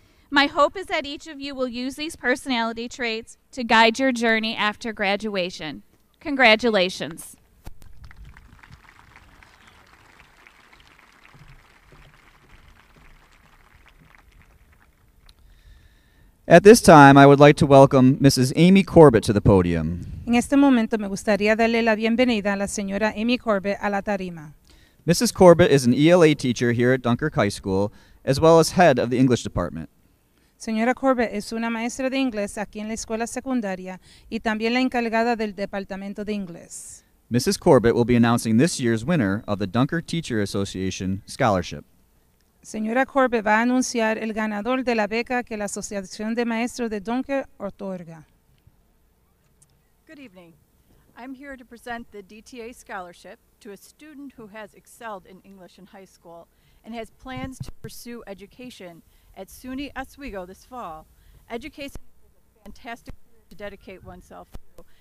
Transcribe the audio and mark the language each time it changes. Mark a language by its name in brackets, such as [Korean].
[English] My hope is that each of you will use these personality traits to guide your journey after graduation. Congratulations. At this time, I would like to welcome Mrs. Amy Corbett to the podium. [Spanish] En este momento, me gustaría darle la bienvenida a la señora Amy Corbett a la tarima. [English] Mrs. Corbett is an ELA teacher here at Dunkirk High School, as well as head of the English department. [Spanish] Señora Corbett es una maestra de inglés aquí en la escuela secundaria y también la encargada del departamento de inglés. [English] Mrs. Corbett will be announcing this year's winner of the Dunkirk Teacher Association Scholarship. [Spanish] Señora Corbett va a anunciar el ganador de la beca que la Asociación de Maestros de Dunkirk otorga. [English] Good evening. I'm here to present the DTA Scholarship to a student who has excelled in English in high school and has plans to pursue education at SUNY Oswego this fall. Education is a fantastic career to dedicate oneself to.